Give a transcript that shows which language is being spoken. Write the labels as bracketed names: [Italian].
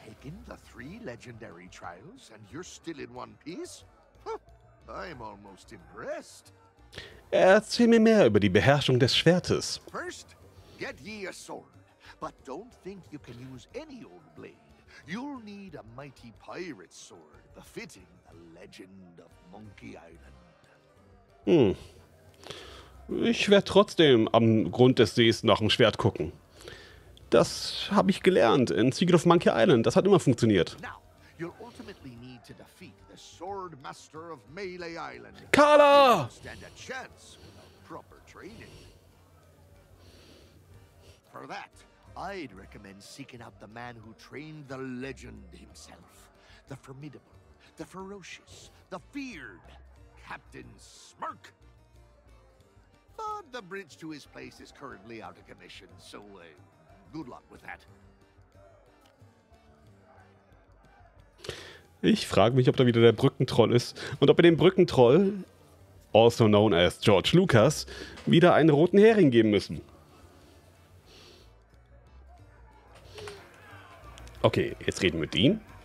[English] In the three legendary trials, and you're still in one piece? Huh, I'm almost impressed. [German] Erzähl mir mehr über die Beherrschung des Schwertes. [English] First, get ye a sword. But don't think you can use any old blade. You'll need a mighty pirate sword, befitting the legend of Monkey Island. [German] Ich werde trotzdem am Grund des Sees nach dem Schwert gucken. Das habe ich gelernt in Secret of Monkey Island. Das hat immer funktioniert. [English] Now, you'll ultimately need to defeat the Swordmaster of Melee Island. Kala! Stand a chance without proper training. For that, I'd recommend seeking out the man who trained the legend himself. The formidable, the ferocious, the feared Captain Smirk. But the bridge to his place is currently out of commission, so good luck with that. [German] Ich frage mich, ob da wieder der Brückentroll ist und ob er dem Brückentroll, [English] also known as [German] George Lucas, wieder einen roten Hering geben müssen. Okay, jetzt reden wir mit ihm.